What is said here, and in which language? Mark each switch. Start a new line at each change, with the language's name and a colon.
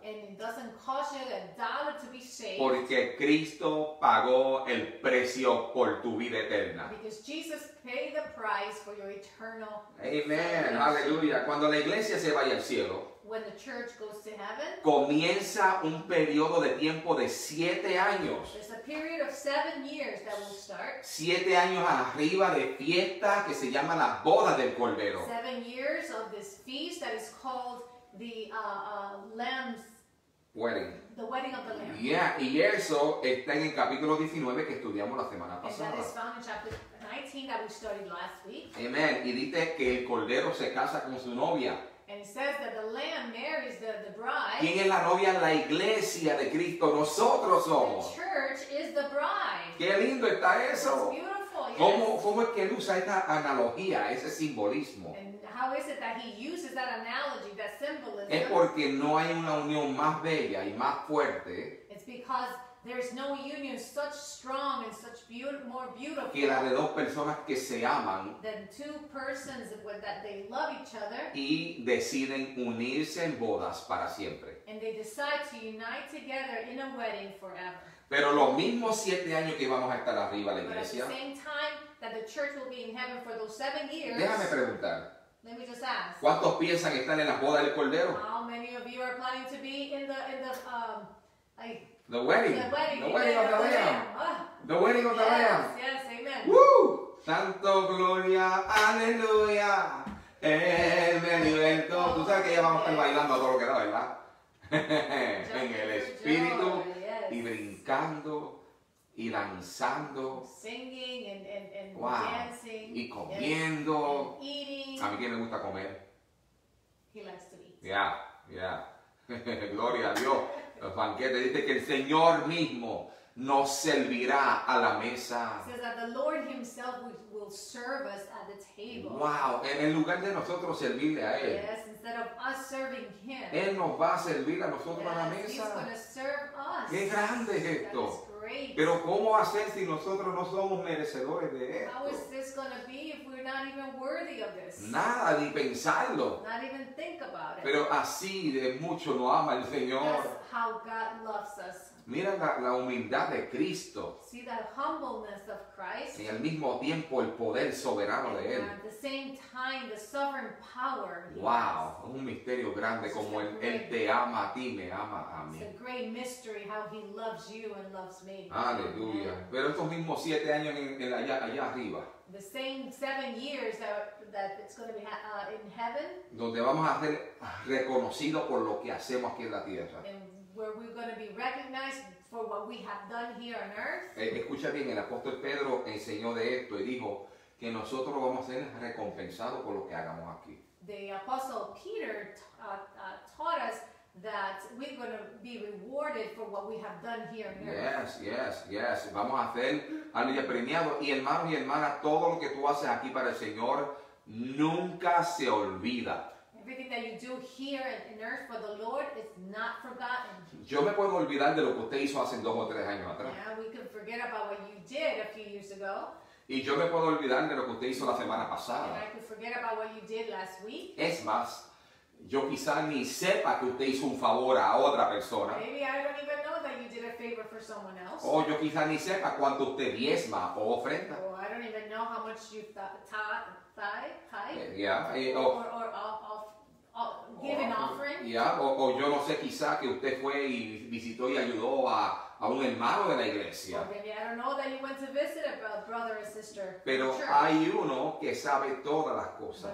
English: And it doesn't cost you a dollar to be saved.
Spanish: Porque Cristo pagó el precio por tu vida eterna.
English: Because Jesus paid the price for your eternal
Spanish: Amen. Aleluya. Cuando la iglesia se vaya al cielo.
English: When the church goes to heaven.
Spanish: Comienza un periodo de tiempo de 7 años.
English: There's a period of 7 years that will start.
Spanish: 7 años arriba de fiesta que se llama la boda del Cordero.
English: 7 years of this feast that is called the Lamb's Wedding. The Wedding of the Lamb.
Spanish: Yeah, y eso está en el capítulo 19 que estudiamos la semana pasada.
English: And that is found in chapter 19 that we studied last week.
Spanish: Amen. Y dice que el Cordero se casa con su novia.
English: And it says that the Lamb marries the bride.
Spanish: ¿Quién es la novia? La iglesia de Cristo. Nosotros somos.
English: The church is the bride.
Spanish: ¡Qué lindo está eso!
English: It's beautiful, yes.
Spanish: ¿Cómo es que él usa esta analogía, ese simbolismo?
English: And how is it that he uses that analogy, that symbolism?
Spanish: Es porque no hay una unión más bella y más fuerte.
English: It's because there's no union such strong and such more beautiful
Spanish: que la de dos personas que se aman
English: than two persons that they love each other
Spanish: y deciden unirse en bodas para siempre.
English: And they decide to unite together in a wedding forever.
Spanish: Pero los mismos 7 años que vamos a estar arriba de la iglesia,
English: but at the same time, that the church will be in heaven for those 7 years.
Spanish: Déjame preguntar.
English: Let me just ask.
Spanish: ¿Cuántos piensan estar en la boda del Cordero?
English: How many of you are planning to be in the wedding? The wedding. The wedding of the Lamb. The wedding of the Lamb. Yes, amen.
Spanish: Woo! Santo gloria, aleluya. Amen. Bendito. Tú sabes que ya vamos a estar bailando a todo lo que da, ¿verdad? En el espíritu y brincando y danzando,
English: singing and dancing
Spanish: y comiendo.
English: Eating.
Spanish: A mí que me gusta comer.
English: He likes to eat.
Spanish: Yeah. Gloria a Dios. El banquete dice que el Señor mismo nos servirá a la mesa.
English: Says that the Lord himself will serve us at the table.
Spanish: Wow, en lugar de nosotros servirle a él.
English: Yes, instead of us serving him.
Spanish: Él nos va a servir a nosotros,
English: yes,
Spanish: a la mesa.
English: He's going to serve us.
Spanish: Qué grande es esto.
English: That is great.
Spanish: Pero ¿cómo va a ser si nosotros no somos merecedores de esto?
English: How is this going to be if we're not even worthy of this?
Spanish: Nada, ni pensarlo.
English: Not even think about it.
Spanish: Pero así de mucho lo ama el Señor.
English: That's how God loves us.
Spanish: Mira la humildad de Cristo.
English: See that humbleness of Christ.
Spanish: Y al mismo tiempo el poder soberano de él.
English: At the same time, the sovereign power.
Spanish: Wow, un misterio grande como él te ama a ti, me ama a mí.
English: It's a great mystery how he loves you and loves me.
Spanish: Aleluya. Yeah. Pero estos mismos 7 años en allá arriba.
English: The same 7 years that it's going to be in heaven.
Spanish: Donde vamos a ser reconocidos por lo que hacemos aquí en la tierra.
English: Where we're going to be recognized for what we have done here on earth.
Spanish: Escucha bien, el apóstol Pedro enseñó de esto y dijo que nosotros vamos a ser recompensados por lo que hagamos aquí.
English: The apostle Peter taught us that we're going to be rewarded for what we have done here on earth. Yes, yes, yes.
Spanish: Vamos a ser premiados. Y hermanos y hermanas, todo lo que tú haces aquí para el Señor nunca se olvida.
English: Everything that you do here in earth for the Lord is not forgotten.
Spanish: Yo me puedo olvidar de lo que usted hizo hace 2 o 3 años atrás.
English: Yeah, we can forget about what you did a few years ago.
Spanish: Y yo me puedo olvidar de lo que usted hizo la semana pasada.
English: And I could forget about what you did last week.
Spanish: Es más, yo quizá ni sepa que usted hizo un favor a otra persona.
English: Maybe I don't even know that you did a favor for someone else.
Spanish: O yo quizá ni sepa cuánto usted diezma o ofrenda.
English: Oh, I don't even know how much you tithe. Yeah. Or offering.
Spanish: Yeah. O yo no sé quizá que usted fue y visitó y ayudó a un hermano de la iglesia.
English: Or maybe I don't know that you went to visit a brother or sister.
Spanish: Pero hay uno que sabe todas las cosas.